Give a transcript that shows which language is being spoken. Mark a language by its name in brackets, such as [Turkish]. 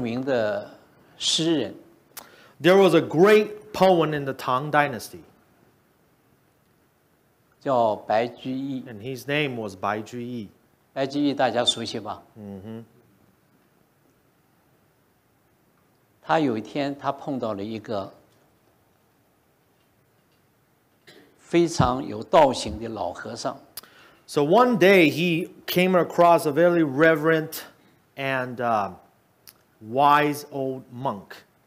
[Chinese] 唐朝有一个著名的诗人, [English] There was a great poet in the Tang Dynasty. [Chinese] 叫白居易, [English] and his name was Bai Juyi. [Chinese] 白居易大家熟悉吧? Mm-hmm. 他有一天他碰到了一个非常有道行的老和尚。 [English] So one day he came across a very reverent and wise old monk.